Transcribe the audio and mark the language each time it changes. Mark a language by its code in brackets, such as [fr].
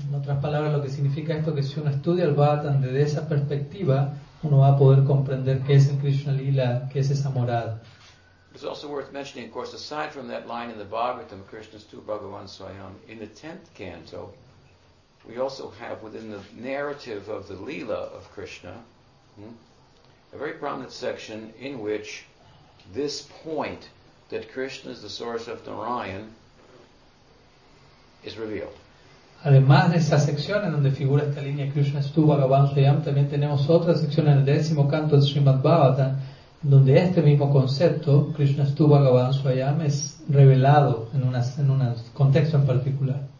[es] En otras palabras, lo que significa esto que si uno estudia el Bhagavatam desde esa perspectiva, uno va a poder comprender qué es el Krishna Lila, qué es esa morada. [en] It's also worth mentioning, of course, aside from that line in the Bhagavatam, Krishna's two Bhagavan Swayam, in the 10th canto, we also have within the narrative of the Lila of Krishna, a very prominent section in which this point that Krishna is the source of Narayan is revealed. [es] Además de esa sección en donde figura esta línea Krishna es tu Bhagavan Swayam, también tenemos otra sección en el décimo canto del Srimad Bhagavatam donde este mismo concepto Krishna es tu Bhagavan Swayam es revelado en un contexto en particular.